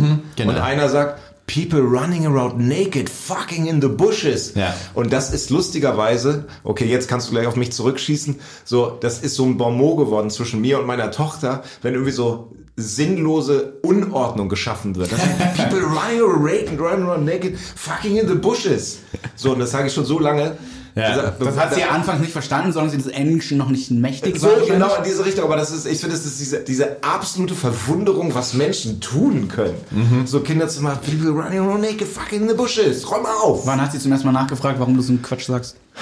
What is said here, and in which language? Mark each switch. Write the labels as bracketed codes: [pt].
[de] Mhm, genau. Und einer sagt, [en] people running around naked, fucking in the bushes. [de] Ja. Und das ist lustigerweise, okay, jetzt kannst du gleich auf mich zurückschießen, so, das ist so ein Bonmot geworden zwischen mir und meiner Tochter, wenn irgendwie so sinnlose Unordnung geschaffen wird. [en] People running around naked, fucking in the bushes. [de] So, und das sage ich schon so lange. Ja, das hat sie anfangs nicht verstanden, sondern sie das Englische noch nicht mächtig so war. Genau in diese Richtung, aber das ist, ich finde, das ist diese absolute Verwunderung, was Menschen tun können. Mhm. So Kinderzimmer, [en] people running around naked, fucking in the bushes, [de] räum mal auf. Wann hat sie zum ersten Mal nachgefragt, warum du so einen Quatsch sagst?